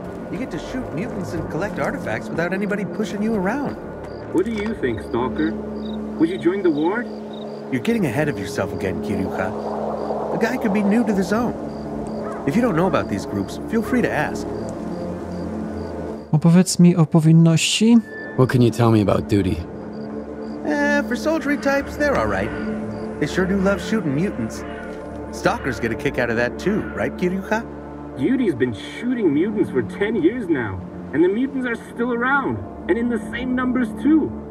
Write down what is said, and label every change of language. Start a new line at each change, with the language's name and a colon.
English: You get to shoot mutants and collect artifacts without anybody pushing you around. What do you think, Stalker? Would you join the ward? You're getting ahead of yourself again, Kiryuka. The guy could be new to the zone. If you don't know about these groups, feel free to ask.
Polish: Opowiedz mi o powinności.
English: What can you tell me about duty? For soldiery types, they're all right. They sure do love shooting mutants. Stalkers get a kick out of that too, right, Kiryuka? Duty's been shooting mutants for 10 years now, and the mutants are still around, and in the same numbers too.